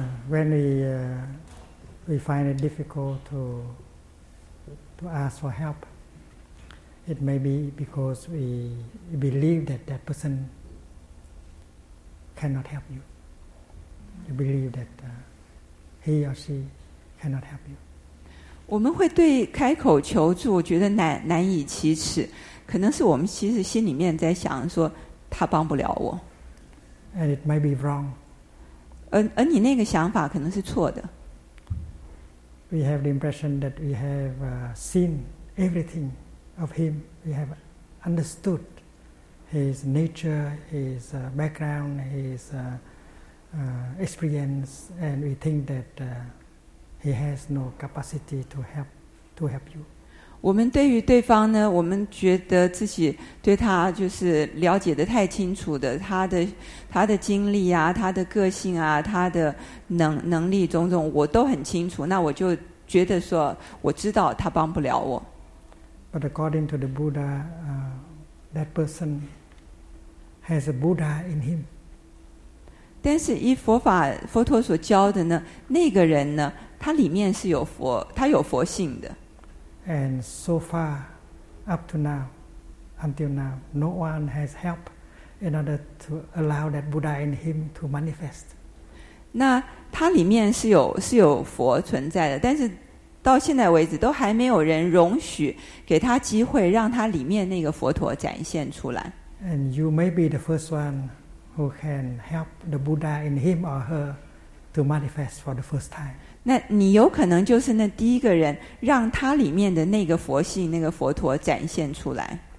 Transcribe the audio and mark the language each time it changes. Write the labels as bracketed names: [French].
[English] When we find it difficult to ask for help, it may be because we believe that person cannot help you. You believe that he or she cannot help you. [Chinese] 我们会对开口求助觉得难以启齿，可能是我们其实心里面在想说他帮不了我。 [English] And it might be wrong. [Chinese] 而你那个想法可能是错的。 [English] We have the impression that we have seen everything of him. We have understood his nature, his background, his experience, and we think that he has no capacity to help you. [Chinese] 我们对于对方呢，我们觉得自己对他就是了解得太清楚的，他的经历啊，他的个性啊，他的能力种种我都很清楚，那我就觉得说我知道他帮不了我。 [English] But according to the Buddha, that person has a Buddha in him. [Chinese] 但是以佛陀所教的呢，那个人呢，他里面是有佛，他有佛性的。 [English] And so far, up to now, until now, no one has helped in order to allow that Buddha in him to manifest. [Chinese] 那他里面是有佛存在的，但是到现在为止都还没有人容许给他机会，让他里面那个佛陀展现出来。 [English] And you may be the first one who can help the Buddha in him or her to manifest for the first time. [Chinese] 那你有可能就是那第一个人，让他里面的那个佛性、那个佛陀展现出来。